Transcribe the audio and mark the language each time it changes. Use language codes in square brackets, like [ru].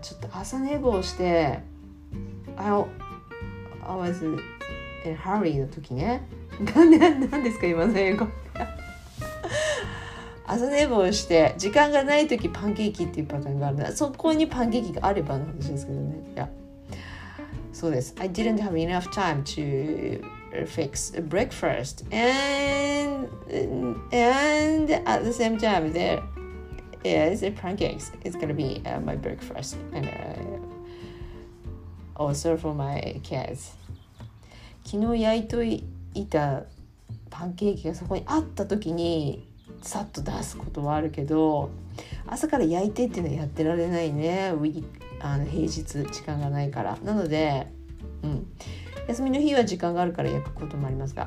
[ja] ちょっと朝寝坊して、 [en] I was in a hurry [ja] の時ね。何ですか今の英語。朝寝坊して時間がない時パンケーキっていうパターンがある。そこにパンケーキがあればの話ですけどね。いや、そうです。 [en] I didn't have enough time to fix breakfast and at the same time there is a pancakes. It's gonna be my breakfast and also for my kids. [ja] 昨日焼いといたパンケーキがそこにあった時に。さっと出すことはあるけど、朝から焼いてっていうのはやってられないね。平日時間がないから。なので、うん、休みの日は時間があるから焼くこともありますが。